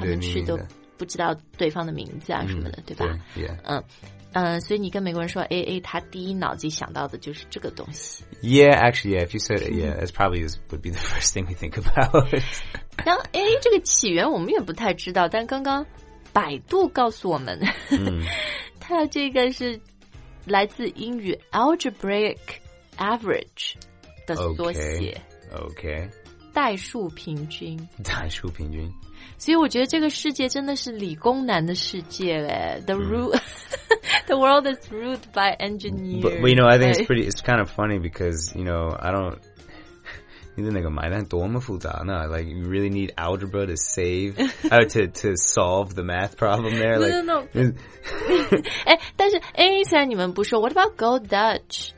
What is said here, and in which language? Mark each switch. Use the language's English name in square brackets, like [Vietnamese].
[Chinese] 他们去都不知道对方的名字啊什么的 对吧对、所以你跟美国人说 AA 他第一脑子想到的就是这个东西 [English] Yeah actually yeah if you said it yeah that's probably would be the first thing we think about [Chinese] 然后 AA 这个起源我们也不太知道但刚刚百度告诉我们、它这个是来自英语 algebraic average 的缩写。 [English] OK [Chinese] 代数平均，代数平均。所以我觉得这个世界真的是理工男的世界嘞。 [English] The root、The world is ruled by engineers. But you know, I think it's pretty, it's kind of funny because, you know, I don't, [Chinese] 你的那个买单多么复杂呢？ [English] Like, you really need algebra to save, to solve the math problem there. Like, no, no, no. [Chinese] 但是 A, 虽然你们不说 [English] what about gold Dutch?